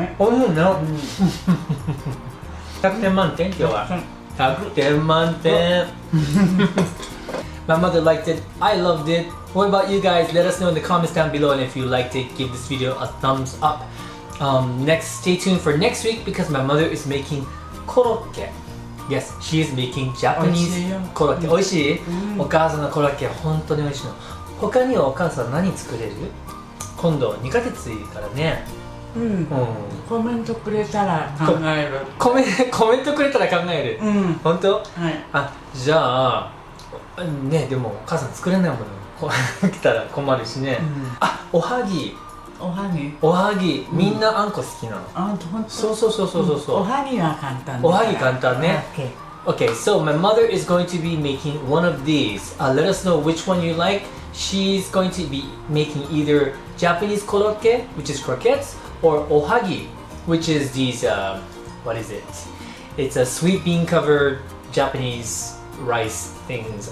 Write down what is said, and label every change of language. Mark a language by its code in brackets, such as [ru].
[ja] おいしいね、100点満点、今日は100点満点。 [en] My mother liked it, I loved it. What about you guys? Let us know in the comments down below, and if you liked it, give this video a thumbs up. Next, stay tuned for next week because my mother is making korokke. Yes, she is making Japanese korokke. Oishii? [ja] お母さんのコロッケ本当に美味しいの。他にはお母さん何作れる？今度2ヶ月からね。コメントくれたら考える。コメントくれたら考える、うん、本当？はい。あ、じゃあね、でもお母さん作れないもの来たら困るしね、うん、あ、おはぎ、おはぎ、おはぎ、みんなあんこ好きなの、うん、あ、ほんと？そうそうそうそうそう、うん、おはぎは簡単だから、おはぎ簡単ね。 [en] OK OK, so my mother is going to be making one of these、let us know which one you like. She's going to be making either Japanese koroke, which is croquettes, or ohagi, which is these, what is it? It's a sweet bean covered Japanese rice things.